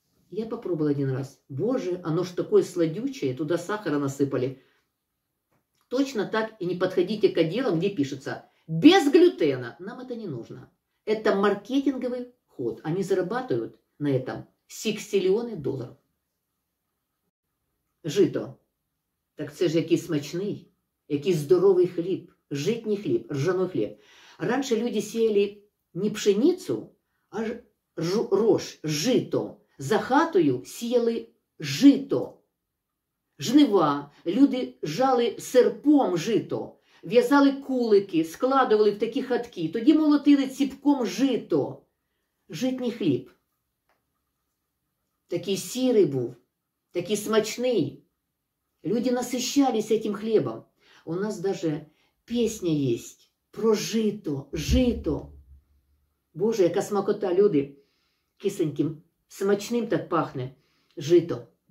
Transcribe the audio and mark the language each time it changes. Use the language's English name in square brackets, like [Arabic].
[Russian] Я попробовала один раз. Боже, оно ж такое сладючее, туда сахара насыпали. Точно так и не подходите к отделам, где пишется. Без глютена, нам это не нужно. Это маркетинговый ход, они зарабатывают на этом. Сикстиллионы долларов. Жито. [Ukrainian] Так це ж який смачний, який здоровий хліб, житній хліб, ржаний хліб. Раніше люди сіяли не пшеницю, а рожь, жито. За хатою сіяли жито. Жнива. Люди жали серпом жито. В'язали кулики, складували в такі хатки. Тоді молотили ціпком жито. Житній хліб. Такий сірий був, такий смачний. [Russian] Люди насыщались этим хлебом. У нас даже песня есть про жито, жито. [Ukrainian] Боже, яка смакота, люди, кисеньким, смачним так пахне жито.